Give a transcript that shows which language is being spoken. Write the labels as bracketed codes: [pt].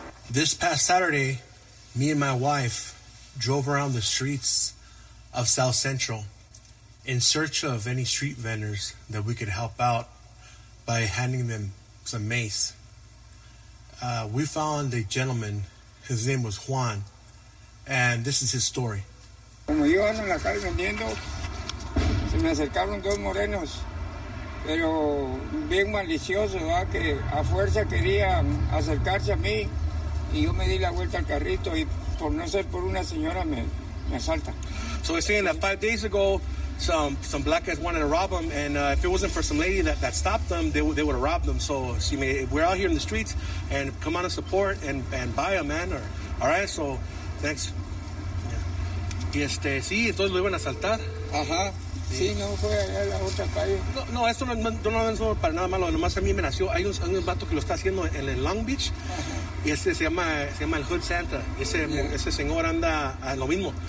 [en] This past Saturday, me and my wife drove around the streets of South Central in search of any street vendors that we could help out by handing them some mace. We found a gentleman, his name was Juan, and this is his story. [es] Como yo ando en la calle vendiendo, se me acercaron dos morenos, pero bien malicioso, ¿verdad? Que a fuerza querían acercarse a mí, y yo me di la vuelta al carrito, y por no ser por una señora, me asalta. [en] So we're saying that 5 days ago, some black guys wanted to rob them, and if it wasn't for some lady that stopped them, they would have robbed them. So she may, we're out here in the streets, and come on and support and buy them, man. Or, all right, so thanks. [es] Y este, sí, entonces lo iban a asaltar. Ajá, sí, no, fue allá a la otra calle. No, esto no es solo para nada malo, nomás a mí me nació, hay un vato que lo está haciendo en Long Beach, y este se llama el Hood Santa, ese señor anda a lo mismo.